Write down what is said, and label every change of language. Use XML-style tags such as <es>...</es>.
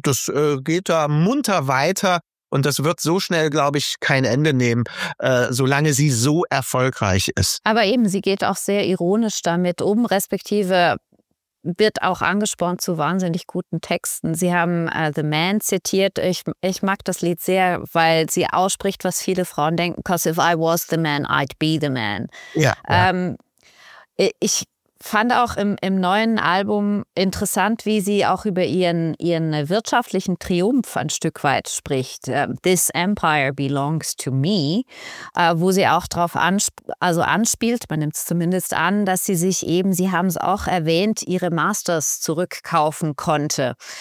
<de>Das geht da munter weiter, und das wird so schnell, glaube ich, kein Ende nehmen, solange sie so erfolgreich ist. Aber eben, sie geht auch sehr ironisch damit um, respektive wird auch angespornt zu wahnsinnig guten Texten. Sie haben The Man zitiert. Ich mag das Lied sehr, weil sie ausspricht, was viele Frauen denken.</de> <en>'Cause if I was the man, I'd be the man.</en> <de>Ja. Ich fand auch im neuen Album interessant, wie sie auch über ihren wirtschaftlichen Triumph ein Stück weit spricht.</de> <en>This empire belongs to me,</en> <de>wo sie auch darauf anspielt, man nimmt es zumindest an, dass sie sich eben, sie haben es auch erwähnt, ihre Masters zurückkaufen konnte.</de>